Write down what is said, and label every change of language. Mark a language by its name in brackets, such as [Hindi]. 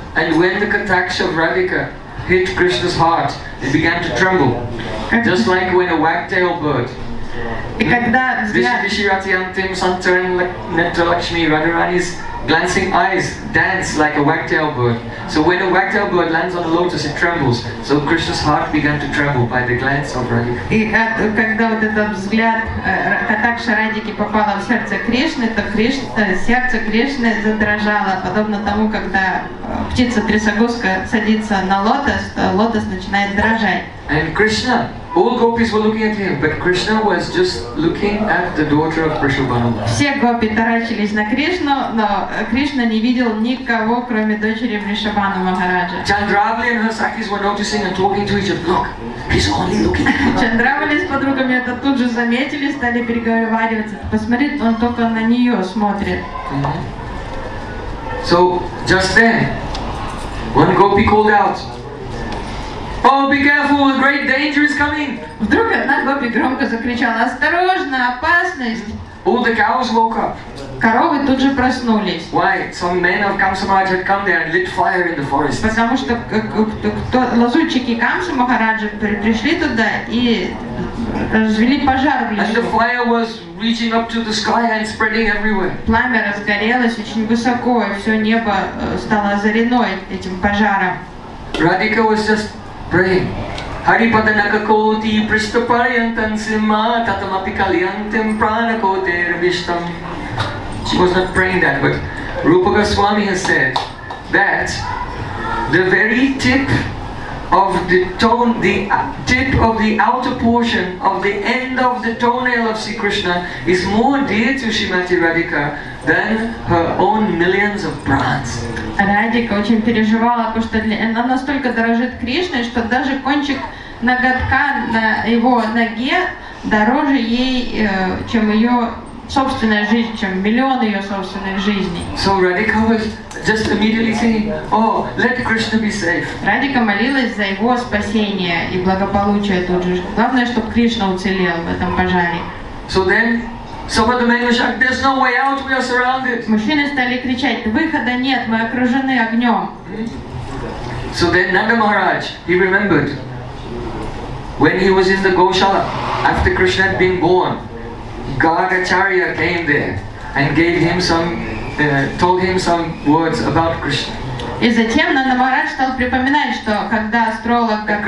[English] And when the Katakshas of Radhika hit Krishna's heart, it began to tremble, just like when a wagtail bird. [Russian] И когда взгляд [English] Vishvarati Antim Netra Lakshmi Radharani's glancing eyes dance like a wagtail bird. So when a wagtail bird lands on a lotus, it trembles. So Krishna's heart began to tremble by the glance of Radhika. [Russian] И когда вот этот взгляд Катакши Радики попала в сердце Кришны, то сердце Кришны задрожало, подобно тому, когда птица трясогузка садится на лотос, то лотос начинает дрожать. [English] And Krishna. All gopis were looking at him, but Krishna was just looking at the daughter of Vrishabhanu. [Russian] Все гопи таращились на Кришну, но Кришна не видел никого, кроме дочери Вришабану Махараджа. [English] Chandravali and her sakis were noticing and talking to each other. Look, he's only looking at her. [Russian] Chandravali с подругами это тут же заметили, стали переговариваться. Посмотри, он только на нее смотрит. [English] So just then, one gopi called out. Oh, be careful, a great danger is coming! [Russian] Вдруг одна гопи громко закричала: «Осторожно, опасность!» [English] All the cows woke up. [Russian] Коровы тут же проснулись. [English] Why? Some men of Kamsamaraj had come there and lit fire in the forest. [Russian] Потому что лазутчики Камсы Махараджа пришли туда и развели пожар в лесу. [English] And the fire was reaching up to the sky and spreading everywhere. [Russian] Пламя разгорелось очень высоко, и все небо стало озарено этим пожаром. [English] Radhika was just praying. [Sanskrit] Hari padanaka koti prishta paryantan simma tatamapi kalyantim prana koter vishtam. [English] She was not praying that, but Rupa Goswami has said that the very tip of the tone, the tip of the outer portion of the end of the toenail of Sri Krishna is more dear to Srimati Radhika than her own millions of pranas. [Russian] Радика очень переживала, потому что она настолько дорожит Кришной, что даже кончик ноготка на его ноге дороже ей, чем ее собственная жизнь, чем миллион ее собственных жизней. [English] So Radhika was just immediately saying, oh, let Krishna be safe. [Russian] Радика молилась за его спасение и благополучие тут же. Главное, чтобы Кришна уцелел в этом пожаре. [English] So then some of the men were shouting, there's no way out, we are surrounded. [Russian] Мужчины стали кричать, выхода нет, мы окружены огнем. [English] So then Nanda Maharaj, he remembered when he was in the Goshala after Krishna had been born. Gargacharya came there and gave him some, told him some words about Krishna. [Russian] И затем Нанда Махарадж стал припоминать, что когда астролог